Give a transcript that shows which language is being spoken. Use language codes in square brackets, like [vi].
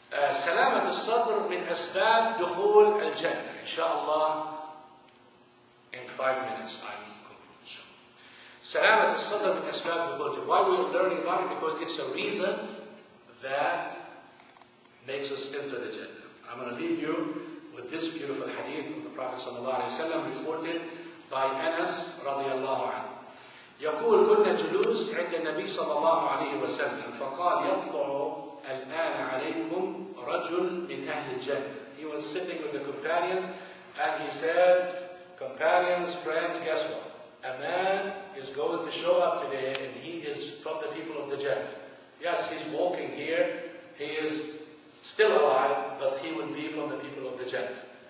[ar] سلامة الصدر من أسباب دخول الجنة. إن شاء الله. [en] In 5 minutes, I will conclude. Sabbath is not a Sabbath of virtue. Why we are learning about it? Because it's a reason that makes us enter the Jannah. I'm going to leave you with this beautiful hadith of the Prophet sallallahu alaihi wasallam, reported by Anas radiallahu anhu. [ar] يقول كنا جلوس عند النبي صلى الله عليه وسلم فقال يطلع الآن عليكم رجل من أهل الجنة. [en] He was sitting with the companions and he said, companions, friends, guess what? A man is going to show up today and he is from the people of the Jannah. Yes, he's walking here, he is still alive, but he would be from the people of the Jannah.